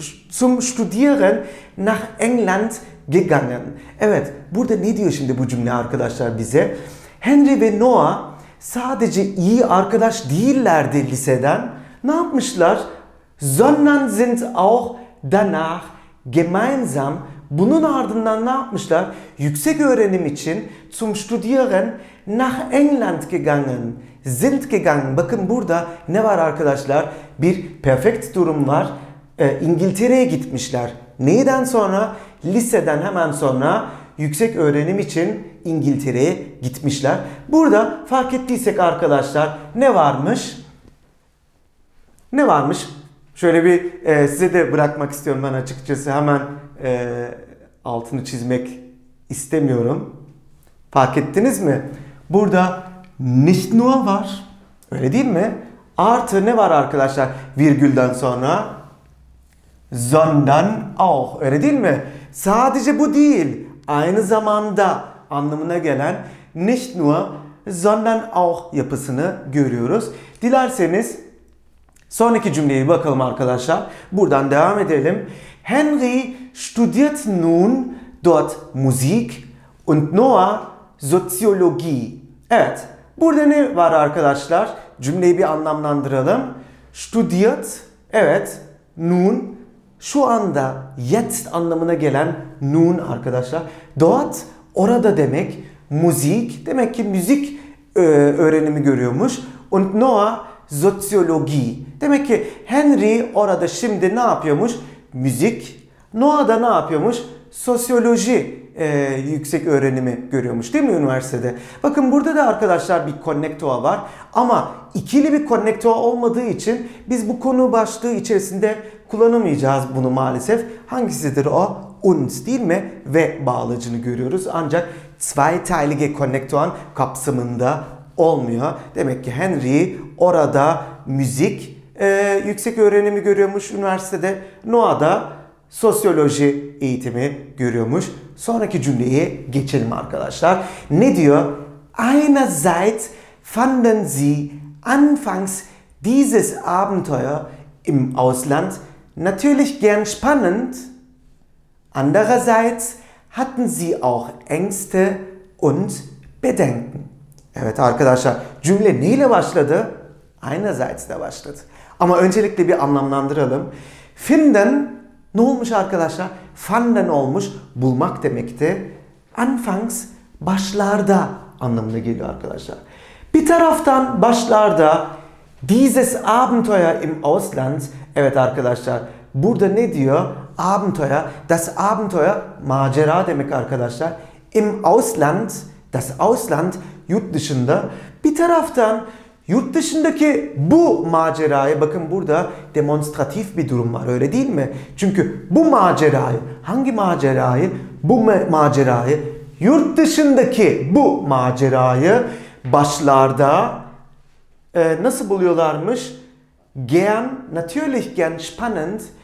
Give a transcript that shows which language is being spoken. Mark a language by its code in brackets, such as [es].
[de] Zum studieren nach England gegangen. [tr] Evet, burada ne diyor şimdi bu cümle arkadaşlar bize? Henry ve Noah sadece iyi arkadaş değillerdi liseden. Ne yapmışlar? [de] Sondern sind auch danach gemeinsam. [tr] Bunun ardından ne yapmışlar? Yüksek öğrenim için [de] zum studieren nach England gegangen. Sind gegangen. [tr] Bakın burada ne var arkadaşlar? Bir perfekt durum var. İngiltere'ye gitmişler. Neyden sonra? Liseden hemen sonra yüksek öğrenim için İngiltere'ye gitmişler. Burada fark ettiysek arkadaşlar ne varmış? Ne varmış? Şöyle bir size de bırakmak istiyorum ben açıkçası. Hemen altını çizmek istemiyorum. Fark ettiniz mi? Burada nicht nur var. Öyle değil mi? Artı ne var arkadaşlar virgülden sonra? [de] Sondern auch. [tr] Öyle değil mi? Sadece bu değil. Aynı zamanda anlamına gelen [de] nicht nur, sondern auch [tr] yapısını görüyoruz. Dilerseniz sonraki cümleye bakalım arkadaşlar. Buradan devam edelim. [de] Henry studiert nun dort Musik und Noah Soziologie. [tr] Evet, burada ne var arkadaşlar? Cümleyi bir anlamlandıralım. Studiert, evet, nun, şu anda, jetzt anlamına gelen nun arkadaşlar. Dort, orada demek. Müzik, demek ki müzik öğrenimi görüyormuş. Und Noah, Soziologie. Demek ki Henry orada şimdi ne yapıyormuş? Müzik. Noah da ne yapıyormuş? Sosyoloji yüksek öğrenimi görüyormuş değil mi üniversitede? Bakın burada da arkadaşlar bir konnektör var. Ama ikili bir konnektör olmadığı için biz bu konu başlığı içerisinde kullanamayacağız bunu maalesef. Hangisidir o? uns değil mi? Ve bağlacını görüyoruz. Ancak zweiteilige Konnektoren kapsamında olmuyor. Demek ki Henry orada müzik yüksek öğrenimi görüyormuş üniversitede. Noah'da sosyoloji eğitimi görüyormuş. Sonraki cümleyi geçelim arkadaşlar. Ne diyor? [de] Einerseits fanden sie anfangs dieses Abenteuer im Ausland natürlich gern spannend. Andererseits hatten sie auch Ängste und Bedenken. [tr] Evet arkadaşlar, cümle neyle başladı? Einerseits de başladı. Ama öncelikle bir anlamlandıralım. Finden ne olmuş arkadaşlar? Fanden olmuş, bulmak demekti. Anfangs başlarda anlamına geliyor arkadaşlar. Bir taraftan başlarda [de] dieses Abenteuer im Ausland. [tr] Evet arkadaşlar, burada ne diyor? Abenteuer, das Abenteuer, macera demek arkadaşlar. [de] Im Ausland, das Ausland, [tr] yurt dışında. Bir taraftan yurt dışındaki bu macerayı, bakın burada demonstratif bir durum var, öyle değil mi? Çünkü bu macerayı, hangi macerayı? Bu macerayı, yurt dışındaki bu macerayı başlarda nasıl buluyorlarmış? [de] Gern, natürlich gern, spannend.